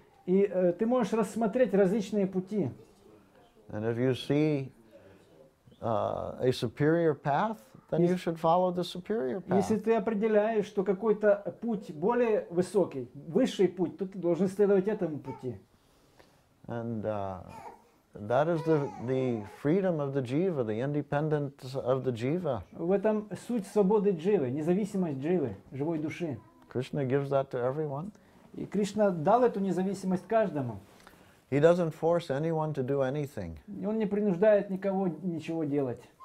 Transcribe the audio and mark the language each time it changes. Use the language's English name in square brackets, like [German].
[Russian] И ты можешь рассмотреть различные пути. [English] And if you see a superior path, then you should follow the superior path. [Russian] Если ты определяешь, что какой-то путь более высокий, высший путь, то ты должен следовать этому пути. [English] And that is the freedom of the jiva, the independence of the jiva. [Russian] В этом суть свободы дживы, независимость дживы, живой души. [English] Krishna gives that to everyone. [Russian] И Кришна дал эту независимость каждому. [English] He doesn't force anyone to do anything. [Russian] Он не принуждает никого ничего делать.